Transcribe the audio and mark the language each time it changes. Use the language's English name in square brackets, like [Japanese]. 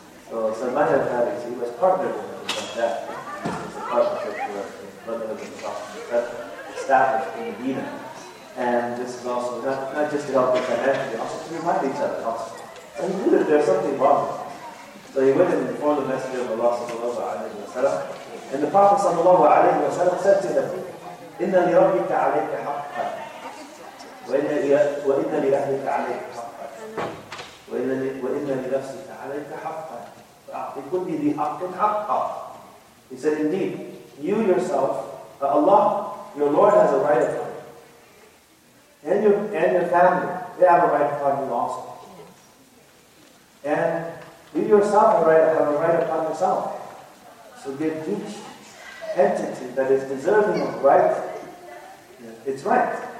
[English] So Salman al-Farisi was partnered with him like that. It was a partnership for the brotherhood of the Prophet established in Medina. And this is also not just to help the financially, also to remind each other also. And he knew that there's something wrong. So he went and informed the Messenger of Allah sallallahu alayhi wa sallam. And the Prophet sallallahu alayhi wa sallam said to him, [Arabic] إِنَّ لِرَبِّكَ عَلَيْكَ حَقَّا وَإِنَّ لِأَهْلِكَ عَلَيْكَ حَقَّا وَإِنَّ لِنَفْسِكَ عَلَيْكَ حَقًّا فَأَعْطِ كُلِّ ذِي حَقٍّ حَقًّا. [English] He said, indeed, you yourself, Allah, your Lord has a right upon you. and your family, they have a right upon you also. And you yourself have a right upon yourself. So give each entity that is deserving of right its right.